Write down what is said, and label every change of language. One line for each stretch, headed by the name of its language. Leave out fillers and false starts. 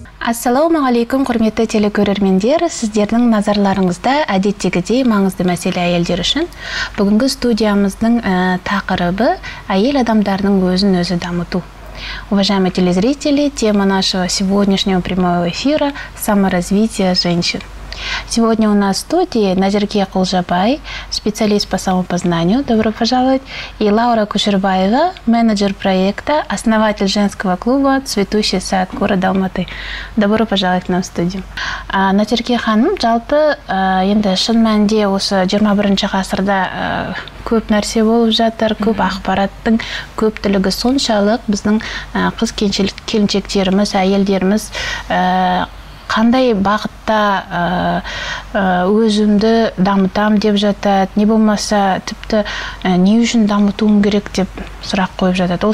Kazakh: Ассаламу алейкум, құрметті телекөрермендер, сіздердің назарларыңызда әдеттегідей маңызды мәселе әйелдер үшін. Бүгінгі студиямыздың тақырыбы әйел адамдарының өзін-өзі дамыту.
Russian: Уважаемые телезрители, тема нашего сегодняшнего прямого эфира – саморазвитие женщин. Сегодня у нас в студии Назерке Кулжабай, специалист по самопознанию, добро пожаловать, и Лаура Кушербаева, менеджер проекта, основатель женского клуба «Цветущий сад» города Алматы. Добро пожаловать к нам в студию.
Kazakh: Назерке ханым, жалпы, енді шын мәнде осы 21-ші ғасырда көп нәрсе болып жатыр, көп ақпараттың көп тілігі соншалық, біздің қыз келіншектеріміз, әйелдеріміз қандай бағытта өзімді дамытам деп жатады, не болмаса тіпті не үшін дамытуым керек деп сұрақ қойып жатады.